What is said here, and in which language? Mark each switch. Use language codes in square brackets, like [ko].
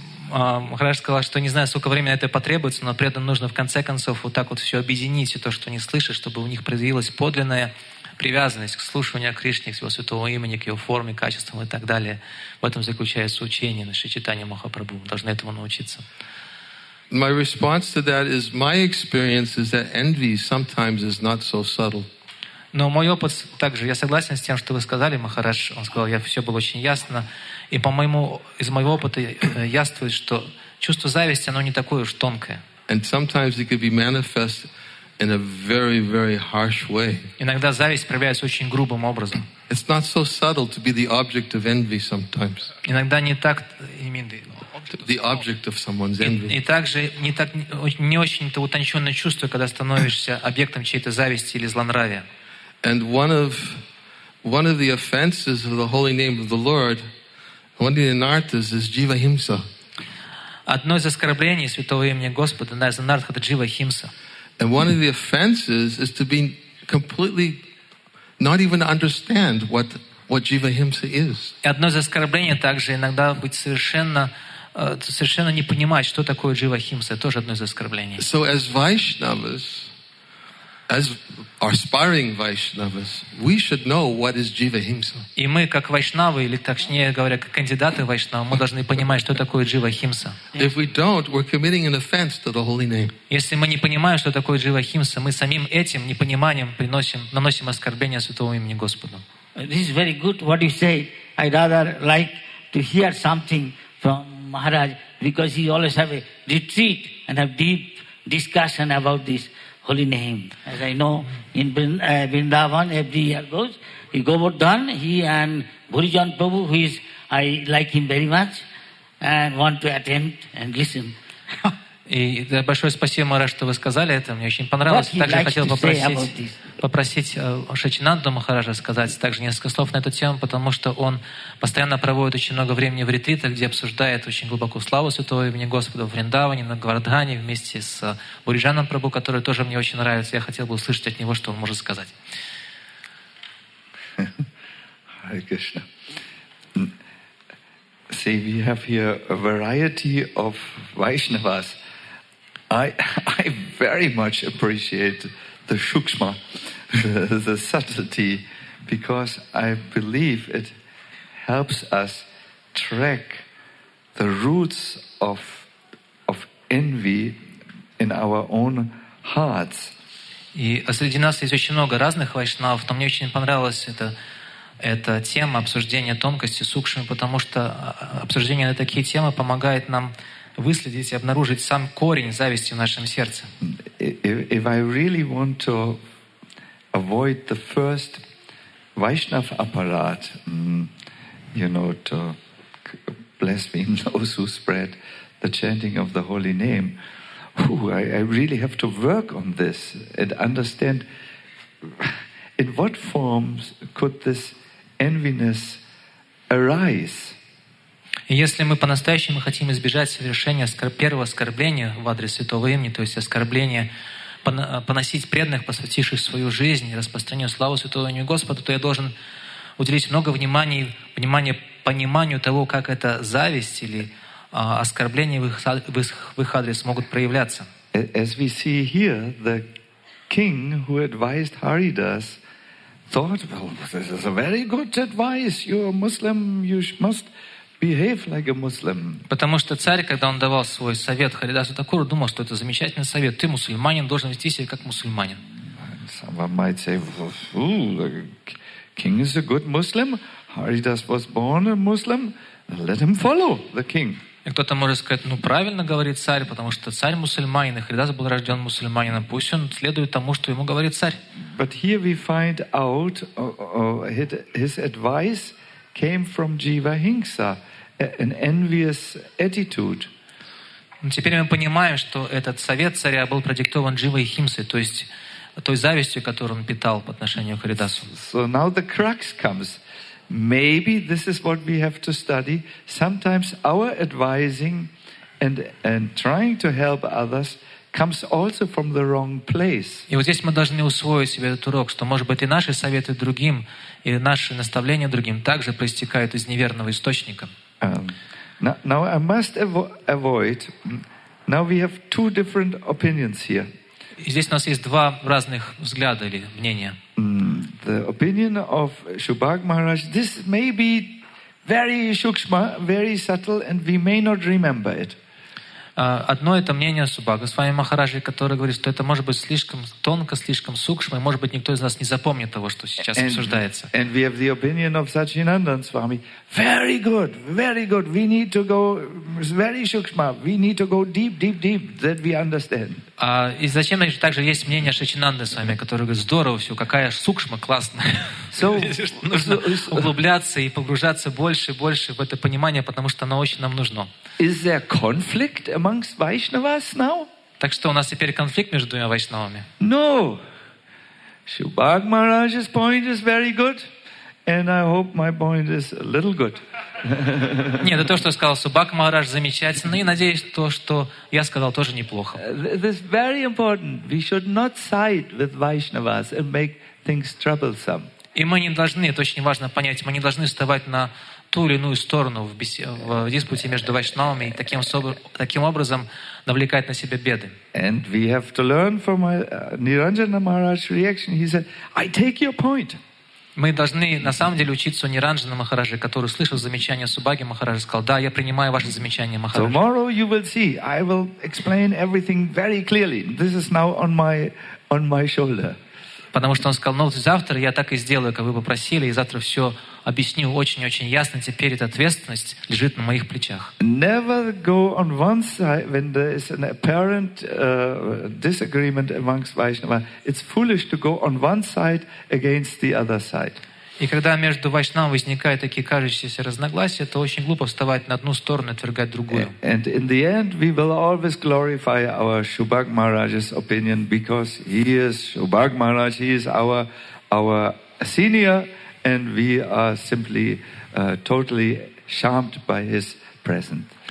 [ru] Махарадж сказал, что не знаю, сколько времени это потребуется, но при этом нужно в конце концов вот так вот все объединить, все то, что они слышат, чтобы у них проявилась подлинная привязанность к слушанию о Кришне, к его святого имени, к его форме, качествам и так далее. В этом заключается учение на Шичитане Махапрабху. Мы должны этому научиться. [en] My response to that is my experience is that envy sometimes is not so subtle. [ru] Но мой опыт также, я согласен с тем, что вы сказали, Махарадж, он сказал, я все было очень ясно. И по моему, из моего опыта яствует, что чувство зависти, оно не такое уж тонкое. [en] And sometimes it could be manifest in a very, very harsh way. [ru] Иногда зависть проявляется очень грубым образом. [en] It's not so subtle to be the object of envy sometimes. [ru] Иногда не так, [en] the object of someone's envy. [ru] И также не так, не очень-то утонченное чувство, когда становишься объектом чьей-то зависти или злонравия. [en] And one of the offenses of the holy name of the Lord, one of the anarthas is jiva himsa. [ru] Одно из оскорблений святого имени Господа, одна из анартх, это jiva himsa. [en] And one of the offenses is to be completely not even understand what jiva himsa is. [ru] И одно из оскорблений также иногда быть совершенно не понимать, что такое jiva himsa, тоже одно из оскорблений. [en] So as Vaishnavas, as aspiring Vaishnavas, we should know what is jiva himsa. [ru] И мы как вайшнавы, или точнее говоря, как кандидаты вайшнавы, мы должны понимать, что такое jiva himsa. [en] If we don't, we're committing an offense to the holy name. [ru] Если мы не понимаем, что такое jiva himsa, мы самим этим непониманием наносим оскорбление святого имени Господа. [en] This is very good what you say. I rather like to hear something from Maharaj because he always have a retreat and have deep discussion about this. Holy name, as I know, in Vrindavan every year goes. He Govardhan, he and Bhurijan Prabhu, who is I like him very much, and want to attend and listen. [ru] И большое спасибо, Махарадж, что вы сказали это. Мне очень понравилось. Также хотел попросить Шачинанду Махараджа сказать также несколько слов на эту тему, потому что он постоянно проводит очень много времени в ретритах, где обсуждает очень глубокую славу святого имени Господа в Вриндаване, на Говардхане, вместе с Бурижаном Прабху, который тоже мне очень нравится. Я хотел бы услышать от него, что он может сказать. [en] Hare Krishna. See, we have here a variety of Vaishnavas. I very much appreciate the sukshma, the subtlety, because I believe it helps us track the roots of envy in our own hearts. [ru] И среди нас есть очень много разных вайшнав, но мне очень понравилось эта тема обсуждения тонкости сукшмы, потому что обсуждение на такие темы помогает нам выследить и обнаружить сам корень зависти в нашем сердце. [en] If I really want to avoid the first Vaishnav apparat, you know, to blaspheme those who spread the chanting of the holy name. I really have to work on this and understand in what forms could this enviness arise. [ru] Если мы по-настоящему хотим избежать совершения первого оскорбления в адрес святого имени, то есть оскорбления поносить преданных, посвятивших свою жизнь и распространению славы святого имени Господа, то я должен уделить много внимания пониманию того, как эта зависть или оскорбление в их адрес могут проявляться. [en] As we see here, the king who advised Haridas thought, well, this is a very good advice. You're a Muslim, you must behave like a Muslim. [ru] Потому что царь, когда он давал свой совет Харидасу Такуру, думал, что это замечательный совет. Ты мусульманин, должен вести себя как мусульманин. [en] Someone might say, the king is a good Muslim. Haridas was born a Muslim. Let him follow the king. [ru] И кто-то может сказать, ну правильно говорит царь, потому что царь мусульманин, и Харидас был рожден мусульманином. Пусть он следует тому, что ему говорит царь. [en] But here we find out his advice came from Jiva Hingsa, an envious attitude. [ru] Но теперь мы понимаем, что этот совет царя был продиктован Дживой Химсой, то есть той завистью, которую он питал по отношению к Харидасу. [en] So now the crux comes. Maybe this is what we have to study. Sometimes our advising and trying to help others comes also from the wrong place. [ru] И вот здесь мы должны усвоить себе этот урок, что, может быть, и наши советы другим, и наши наставления другим также проистекают из неверного источника. [en] Now I must avoid. Now we have two different opinions here. [ru] И здесь у нас есть два разных взгляда или мнения. [en] The opinion of Shubhag Maharaj, this may be very shukshma, very subtle, and we may not remember it. [ru] Одно это мнение Шубага Госвами Махараджи, который говорит, что это может быть слишком тонко, слишком сукшма, и может быть никто из нас не запомнит того, что сейчас обсуждается. [en] And we have the opinion of Sachinandan Swami. Very good, very good. We need to go very sukshma. We need to go deep, deep, deep, that we understand. [ru] И зачем также есть мнение Сачинанды Свами, который говорит, здорово все, какая сукшма классная. [en] So, [ru] нужно углубляться и погружаться больше и больше в это понимание, потому что оно очень нам нужно. [en] Is there conflict amongst Vaishnavas now? [ru] Так что у нас теперь конфликт между двумя Вайшнавами? [en] No. Shubhag Maharaj's point is very good, and I hope my point is a little good. [ru] Нет, это то, что сказал Шубхаг Махарадж, замечательно. И надеюсь, то, что я сказал, тоже неплохо. [en] This is very important. We should not side with Vaishnavas and make things troublesome. [ru] И мы не должны, это очень важно понять, мы не должны вставать на ту или иную сторону в диспуте между вайшнавами и таким образом навлекать на себя беды. [en] And we have to learn from Niranjana Maharaj's reaction. He said, I take your point. [ru] Мы должны на самом деле учиться у Ниранджана Махараджи, который услышал замечание Шубхаги Махараджи, сказал, да, я принимаю ваше замечание, Махараджи. [en] Tomorrow you will see, I will explain everything very clearly. This is now on my shoulder. [ru] Потому что он сказал, ну, завтра я так и сделаю, как вы попросили, и завтра все объясню очень-очень ясно, теперь эта ответственность лежит на моих плечах. [en] Never go on one side when there is an apparent disagreement amongst Vaishnava. It's foolish to go on one side against the other side. [ru] И когда между Вайшнавами возникают такие кажущиеся разногласия, то очень глупо вставать на одну сторону и отвергать другую. [en] And in the end, we will always glorify our Shubhag Maharaj's opinion because he is Shubhag Maharaj, he is our senior, and we are simply totally charmed by his presence.